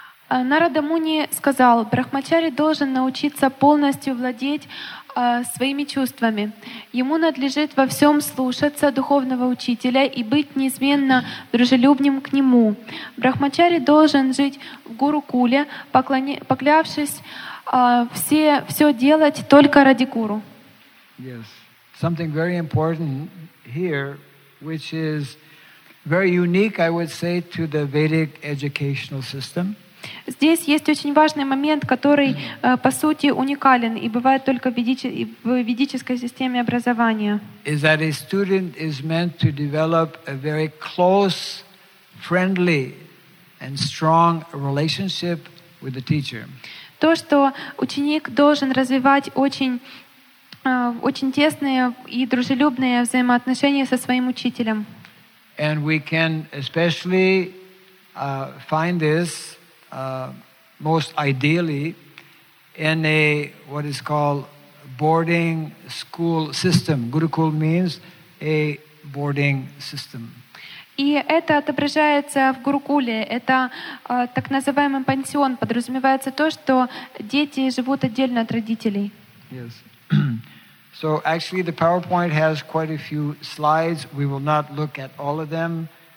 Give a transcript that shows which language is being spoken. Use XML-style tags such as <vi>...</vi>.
<ru>Нарада Муни сказал: «Брахмачари должен научиться полностью владеть своими чувствами. Ему надлежит во всем слушаться духовного учителя и быть неизменно дружелюбным к нему. Брахмачари должен жить в Гурукуле, поклявшись все делать только ради Гуру».</ru> <en>Yes, something very important here, which is very unique, I would say, to the Vedic educational system.</en> <ru>Здесь есть очень важный момент, который, по сути, уникален и бывает только в ведической системе образования.</ru> <en>Is that a student is meant to develop a very close, friendly and strong relationship with the teacher.</en> <ru>То, что ученик должен развивать очень тесные и дружелюбные взаимоотношения со своим учителем.</ru> <en>And we can especially find this most ideally in a what is called boarding school system. Gurukul means a boarding system.</en> <ru>И это отображается в Гурукуле. Это так называемый пансион. Подразумевается то, что дети живут отдельно от родителей.</ru> <en>Yes. So actually the PowerPoint has quite a few slides. We will not look at all of them.</en>